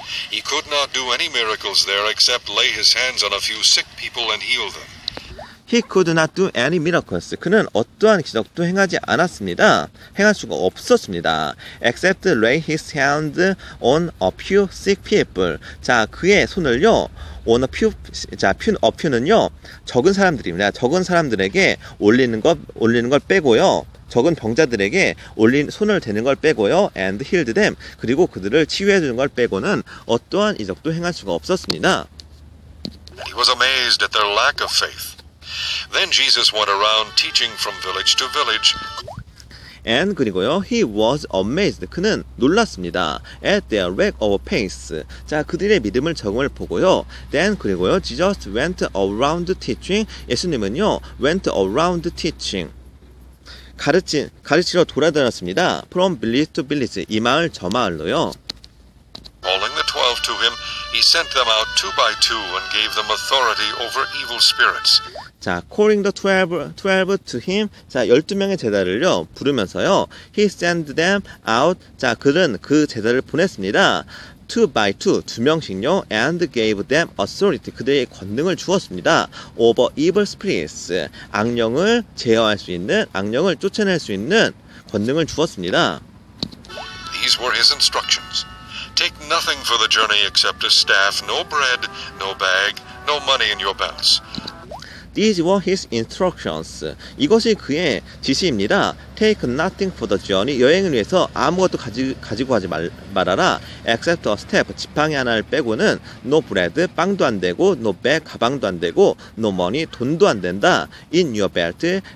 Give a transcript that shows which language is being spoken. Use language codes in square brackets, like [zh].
[en] He could not do any miracles there except lay his hands on a few sick people and heal them. He could not do any miracles. [ko] 그는 어떠한 기적도 행하지 않았습니다. 행할 수가 없었습니다. [en] Except lay his hand on a few sick people. [ko] 자, 그의 손을요. [en] On a few, [ko] 자, a few는요. 적은 사람들입니다. 적은 사람들에게 올리는 걸 빼고요. 적은 병자들에게 올린 손을 대는 걸 빼고요. [en] And healed them. [ko] 그리고 그들을 치유해 주는 걸 빼고는 어떠한 이적도 행할 수가 없었습니다. [en] He was amazed at their lack of faith. Then Jesus went around teaching from village to village. And [ko] 그리고요, [en] he was amazed. [ko] 그는 놀랐습니다. [en] At their lack of faith. [ko] 자, 그들의 믿음을 적응을 보고요. [en] Then [ko] 그리고요, [en] Jesus went around teaching. [ko] 예수님은요, [en] went around teaching. [ko] 가르치러 돌아다녔습니다. [en] From village to village, [ko] 이 마을 저 마을로요. [en] Calling the 12 to him, he sent them out two by two and gave them authority over evil spirits. 자, calling the 12 to him, [ko] 자, 12명의 제자를요, 부르면서요. [en] He sent them out, [ko] 자, 그는 그 제자를 보냈습니다. [en] Two by two, [ko] 두 명씩요. [en] And gave them authority, [ko] 그들의 권능을 주었습니다. Over evil spirits, 악령을 제어할 수 있는, 악령을 쫓아낼 수 있는 권능을 주었습니다. [en] These were his instructions. Take nothing for the journey except a staff, no bread, no bag, no money in your belts. These were his instructions. [ko] 이것이 그의 지시입니다. [en] Take nothing for the journey. [ko] 여행을 위해서 아무것도 가지고 가지 말아라. [en] Except a staff. [ko] 지팡이 하나를 빼고는 [en] no bread. [ko] 빵도 안 되고 [en] no bag. [ko] 가방도 안 되고 [en] no money. [ko] 돈도 안 된다. [en] In your belt.